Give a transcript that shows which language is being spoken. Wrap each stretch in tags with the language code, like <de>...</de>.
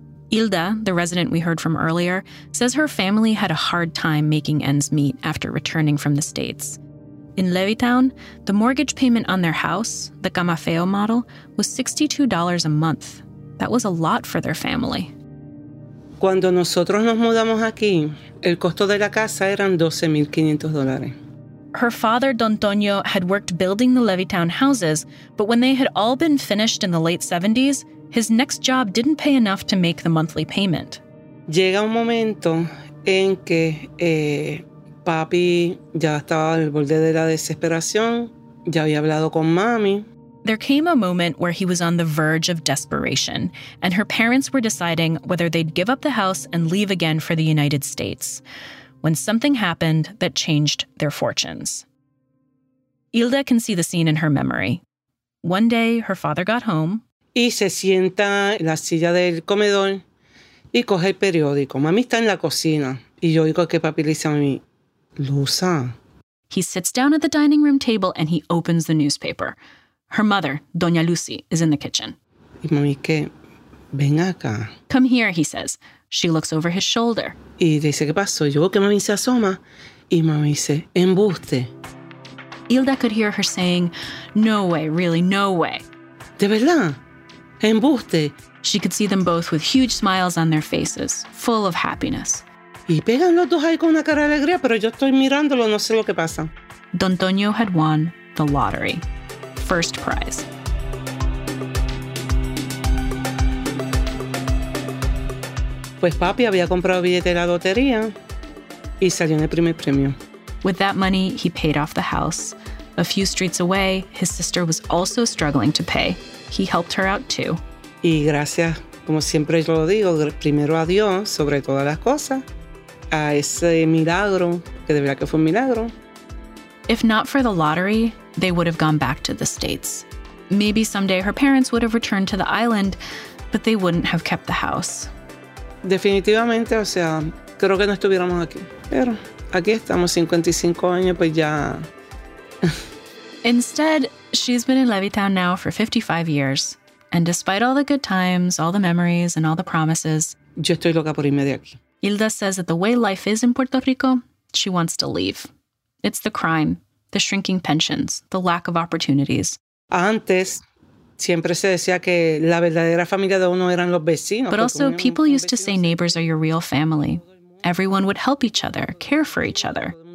<en>Hilda, the resident we heard from earlier, says her family had a hard time making ends meet after returning from the States. In Levittown, the mortgage payment on their house, the Camafeo model, was $62 a month. That was a lot for their family.</en> <es>Cuando nosotros nos mudamos aquí, el costo de la casa eran $12,500.</es> <en>Her father, Don Toño, had worked building the Levittown houses, but when they had all been finished in the late 70s, his next job didn't pay enough to make the monthly payment.</en> <es>Llega un momento en que papi ya estaba al borde de la desesperación, ya había hablado con mami.</es> <en>There came a moment where he was on the verge of desperation, and her parents were deciding whether they'd give up the house and leave again for the United States. When something happened that changed their fortunes. Hilda can see the scene in her memory. One day, her father got home.</en> <es>Y se sienta en la silla del comedor y coge el periódico. Mami está en la cocina. Y yo digo que papi le dice a mí, Luisa.</es> <en>He sits down at the dining room table and he opens the newspaper. Her mother, Doña Lucy, is in the kitchen.</en> <es>Y mami, que ven acá.</es> <en>Come here, he says. She looks over his shoulder.</en> <es>Y dice, ¿qué pasó? Yo que mami se asoma. Y mami dice, embuste.</es> <en>Hilda could hear her saying, no way, really, no way.</en> <es>De verdad, embuste.</es> <en>She could see them both with huge smiles on their faces, full of happiness.</en> <es>Y pegan los dos ahí con una cara de alegría, pero yo estoy mirándolo, no sé lo que pasa.</es> <en>Don Toño had won the lottery. First prize.</en> <es>Pues papi había comprado billete de la lotería y salió en el primer premio.</es> <en>With that money, he paid off the house. A few streets away, his sister was also struggling to pay. He helped her out too.</en> <es>Y gracias, como siempre yo lo digo, primero a Dios, sobre todas las cosas, a ese milagro, que de verdad que fue un milagro.</es> <en>If not for the lottery, they would have gone back to the States. Maybe someday her parents would have returned to the island, but they wouldn't have kept the house.</en> <es>Definitivamente, o sea, creo que no estuviéramos aquí. Pero aquí estamos 55 años, pues ya.</es> <en>Instead, she's been in Levittown now for 55 years. And despite all the good times, all the memories, and all the promises,</en> <es>yo estoy loca por irme de aquí.</es> <en>Hilda says that the way life is in Puerto Rico, she wants to leave. It's the crime, the shrinking pensions, the lack of opportunities.</en> <es>Antes, siempre se decía que la verdadera familia de uno eran los vecinos.</es> <en>But also, people used to say neighbors are your real family. Everyone would help each other, care for each other.</en>